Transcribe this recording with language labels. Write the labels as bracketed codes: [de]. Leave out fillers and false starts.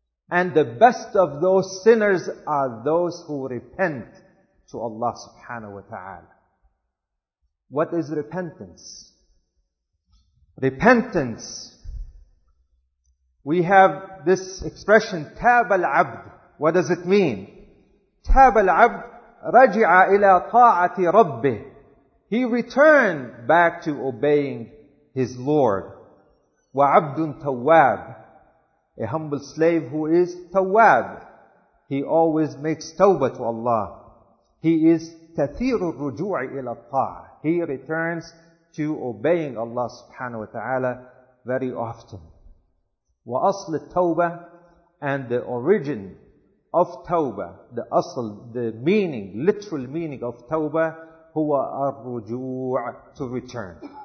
[en] And the best of those sinners are those who repent to Allah subhanahu wa ta'ala. What is repentance? Repentance. We have this expression, [ar] تاب العبد. [en] What does it mean? [ar] تاب العبد رجع إلى طاعة ربه. [en] He returned back to obeying his Lord. [ar] وعبد تواب. [en] A humble slave who is تواب. He always makes tawbah to Allah. He is [ar] كثير الرجوع إلى الطاعة. [en] He returns to obeying Allah subhanahu wa ta'ala very often. [ar] وأصل التوبة [en] and the origin of توبة, the أصل, the meaning, literal meaning of [ar] توبة هو الرجوع, [en] to return.